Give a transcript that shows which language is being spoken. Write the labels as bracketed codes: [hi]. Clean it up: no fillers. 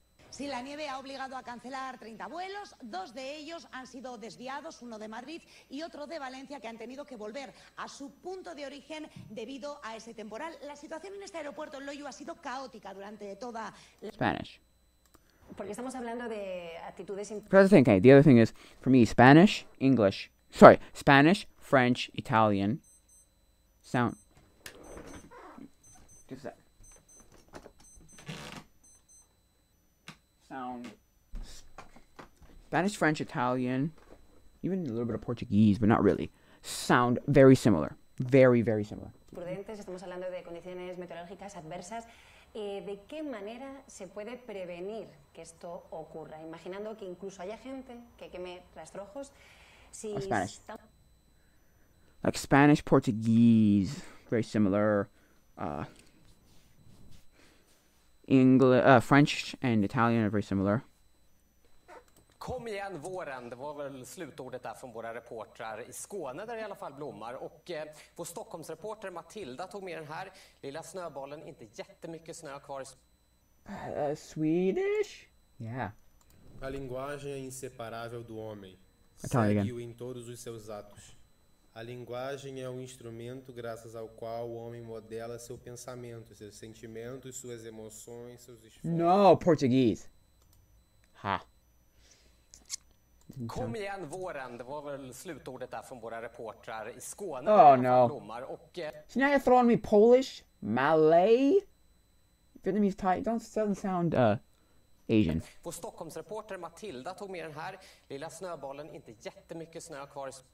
[es] Sí, la nieve ha obligado a cancelar 30 vuelos, dos de ellos han sido desviados, uno de Madrid y otro de Valencia, que han tenido que volver a su punto de origen debido a ese temporal. La situación en este aeropuerto en Loyu ha sido caótica durante toda la... [en] Spanish. [es] Porque estamos hablando de actitudes... [en] But the thing, okay, the other thing is, for me, Spanish, English, sorry, Spanish, French, Italian, sound... Just that. Spanish, French, Italian, even a little bit of Portuguese, but not really, sound very similar. Very, very similar. [es] Prudentes, estamos hablando de condiciones meteorológicas adversas. ¿De qué manera se puede prevenir que esto ocurra? Imaginando que incluso haya gente que queme rastrojos. Si [en] Spanish. Like Spanish, Portuguese, very similar. English, French and Italian are very similar. [sv] Kom igen våren, det var väl slutordet där från våra reportrar i Skåne där i alla fall blommar. Och vår Stockholmsreporter Matilda tog med den här lilla snöbollen, inte jättemycket snö kvar. [en] Swedish? Yeah. [pt] A linguagem é inseparável do homem. Segue-o em todos os seus atos. A linguagem é um instrumento graças ao qual o homem modela seu pensamento, seus sentimentos, suas emoções, seus esforços. [en] No, Portuguese. Ha. [sv] Kom igen våren, det var väl slutordet där från våra reportrar i Skåne. [en] Oh no. So now you're throwing me Polish, Malay, Vietnamese, Thai, doesn't sound Asian. [sv] Vår Stockholmsreporter Matilda tog med den här lilla snöbollen, inte jättemycket snö kvar.